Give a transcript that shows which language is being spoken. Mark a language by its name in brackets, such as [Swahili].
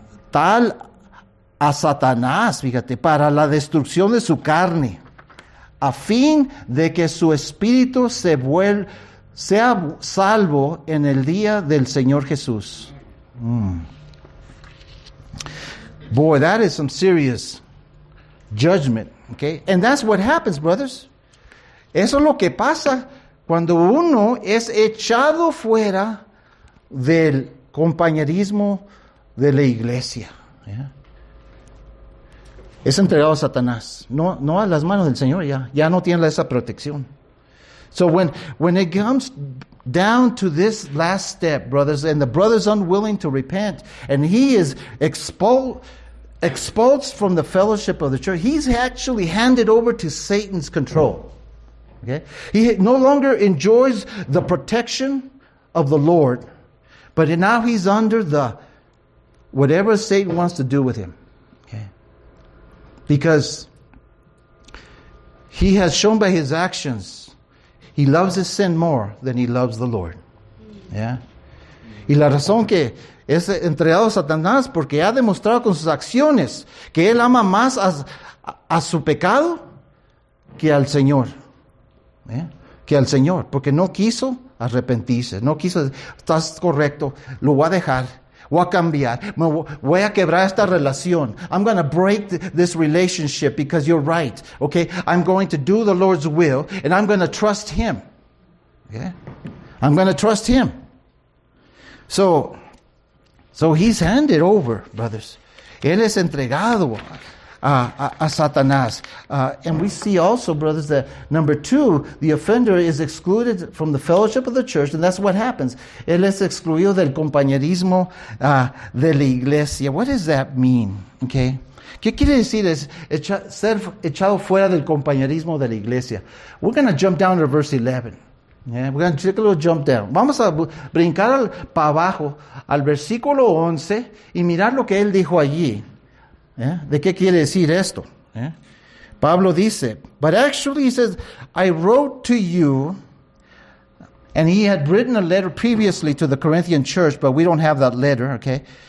[Spanish] tal a Satanás, fíjate, para la destrucción de su carne, a fin de que su espíritu sea salvo en el día del Señor Jesús. [English] Boy, that is some serious judgment, okay? And that's what happens, brothers. [Spanish] Eso es lo que pasa cuando uno es echado fuera del compañerismo de la iglesia. Es entregado a Satanás, no a las manos del Señor, ya no tiene esa protección. [English] So when it comes down to this last step, brothers, and the brother's unwilling to repent, and he is expulsed from the fellowship of the church, he's actually handed over to Satan's control. Okay? He no longer enjoys the protection of the Lord, but now he's under the whatever Satan wants to do with him. Okay? Because he has shown by his actions he loves his sin more than he loves the Lord. Yeah? [Spanish] Y la razón que es entregado a Satanás porque ha demostrado con sus acciones que él ama más a su pecado que al Señor. Yeah? Que al Señor, porque no quiso arrepentirse, no quiso, estás correcto, lo voy a dejar, voy a cambiar, voy a quebrar esta relación. [English] I'm going to break this relationship because you're right, okay? I'm going to do the Lord's will and I'm going to trust Him, okay? I'm going to trust Him. So he's handed over, brothers. [Spanish] Él es entregado a Satanás. [English] And we see also, brothers, that number two, the offender is excluded from the fellowship of the church, and that's what happens. [Spanish] Él es excluido del compañerismo de la iglesia. [English] What does that mean? Okay. [Spanish] ¿Qué quiere decir es ser echado fuera del compañerismo de la iglesia? [English] We're going to jump down to verse 11. Yeah, we're going to take a little jump down. [Spanish] Vamos a brincar para abajo al versículo 11 y mirar lo que él dijo allí. Yeah, ¿de qué quiere decir esto? Yeah. Pablo dice, [English] but actually he says, I wrote to you, and he had written a letter previously to the Corinthian church, but we don't have that letter, okay?